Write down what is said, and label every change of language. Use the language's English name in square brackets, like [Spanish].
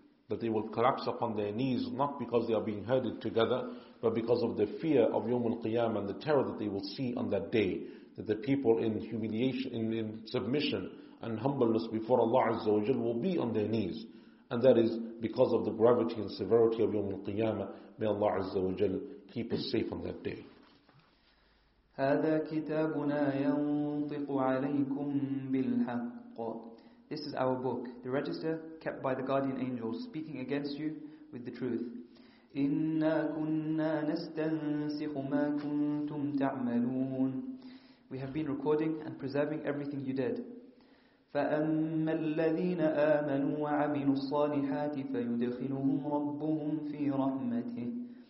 [English] That they will collapse upon their knees, not because they are being herded together, but because of the fear of Yawm al-Qiyam and the terror that they will see on that day. That the people in humiliation, in submission and humbleness before Allah Azza wa Jal will be on their knees. And that is because of the gravity and severity of Yawm al-Qiyam. May Allah Azza wa Jal keep us safe on that day. [Arabic] هذا كتابنا ينطق عليكم بالحق. [English] This is our book, the register kept by the guardian angels, speaking against you with the truth. [Arabic] إِنَّا كُنَّا نَسْتَنْسِخُ مَا كُنْتُمْ تَعْمَلُونَ. [English] We have been recording and preserving everything you did. [Arabic] فَأَمَّا الَّذِينَ آمَنُوا وَعَمِلُوا الصَّالِحَاتِ فَيُدْخِلُهُمْ رَبُّهُمْ فِي رَحْمَتِهِ.